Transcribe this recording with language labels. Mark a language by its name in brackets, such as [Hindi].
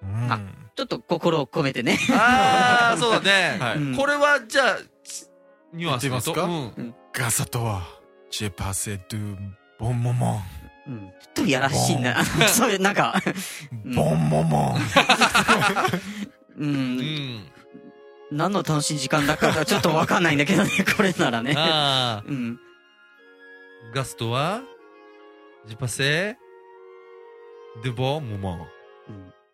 [Japanese] あ、ちょっと心を込めてね。ああ、そうだね。はい、これはじゃあ、ニュアンスいますか？うん。 [French] grâce à toi, j'ai passé du bon moment. [Japanese] うん、ちょっとやらしいな。そういう、なんか。ボンボンボン。何の楽しい時間だったかちょっとわかんないんだけどね、これならね。うん、ガストは、ジパセ、ドボンボン、うん。